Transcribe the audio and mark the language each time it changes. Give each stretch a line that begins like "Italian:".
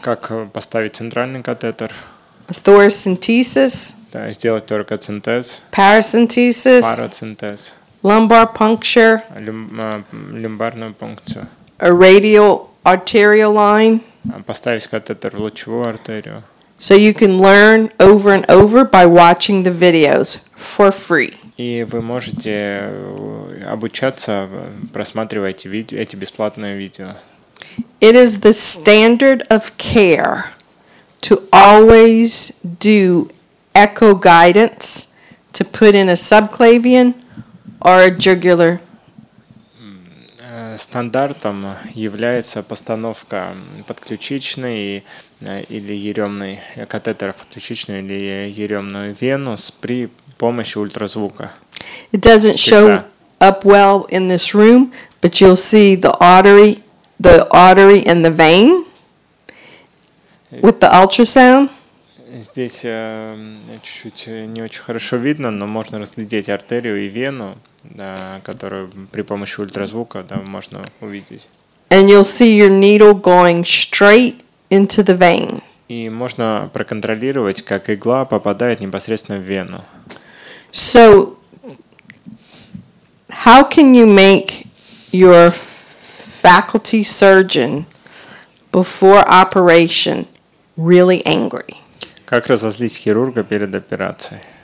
Russian: Как поставить центральный катетер?
English: Thoracentesis.
Russian: Да, сделать торакоцентез.
English: Paracentesis.
Russian: Парацентез.
English: Lumbar puncture.
Russian: Лимбарную пункцию.
English: A radial arterial line.
Russian: Поставить катетер в лучевую артерию.
English: So you can learn over and over by watching the videos for free.
Russian: И вы можете обучаться, просматривая эти бесплатные видео.
English: It is the standard of care to always do echo guidance to put in a subclavian or a jugular.
Russian: Стандартом является постановка подключичной или еремной катетеров подключичную или еремную вену при помощи ультразвука.
English: It doesn't show up well in this room, but you'll see the artery and the vein with the ultrasound.
Russian: Здесь чуть-чуть не очень хорошо видно, но можно разглядеть артерию и вену, да, которую при помощи ультразвука, да, можно увидеть.
English: And you'll see your needle going straight into the vein.
Russian: И можно проконтролировать, как игла попадает непосредственно в вену.
English: So how can you make your faculty surgeon before operation really angry?
Russian: Как разозлить хирурга перед операцией?